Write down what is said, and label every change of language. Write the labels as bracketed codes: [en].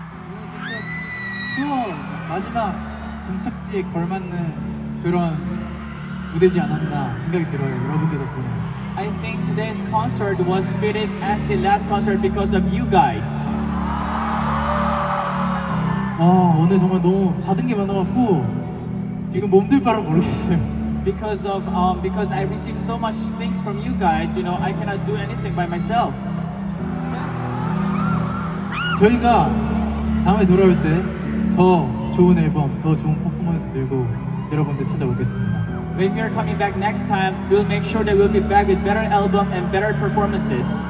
[ko] 오늘 진짜 투어 마지막 종착지에 걸맞는 그런 무대지 않았나 생각이 들어요, 여러분들 덕분에. [en] I think today's concert was fitted as the last concert because of you guys. [ko] 아, 오늘 정말 너무 받은 게 많아갖고 지금 몸둘 바를 모르겠어요. [en] Because I received so much things from you guys, you know, I cannot do anything by myself. [ko] 저희가 다음에 돌아올 때 더 좋은 앨범, 더 좋은 퍼포먼스 들고 여러분들 찾아오겠습니다. [en] When we are coming back next time, we'll make sure that we'll be back with better album and better performances.